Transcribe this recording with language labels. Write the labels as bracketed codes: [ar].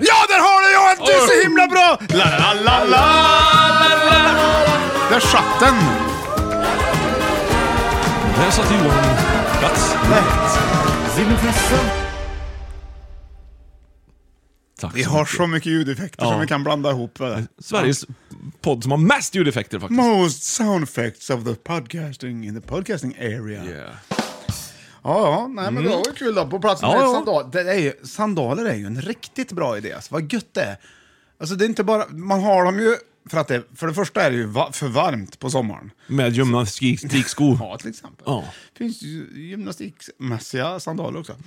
[sv] Ja, där har du, Johan. Du är så himla bra. La la la la. Där satt den. Där satt Johan. Plats. Lätt. Zimmerfressen. Tack, vi har så mycket ljudeffekter som vi kan blanda ihop. Sveriges podd som har mest ljudeffekter faktiskt. [en] Most sound effects of the podcasting in the podcasting area. Yeah. [sv] Ja, ja, nej, men det var kul då. På plats med sandaler är ju en riktigt bra idé. Alltså, vad gött det är. Alltså det är inte bara, man har dem ju för att det, för det första är det ju för varmt på sommaren. Med gymnastikskor. Ja, till exempel. Ja. Finns ju gymnastikmässiga sandaler också.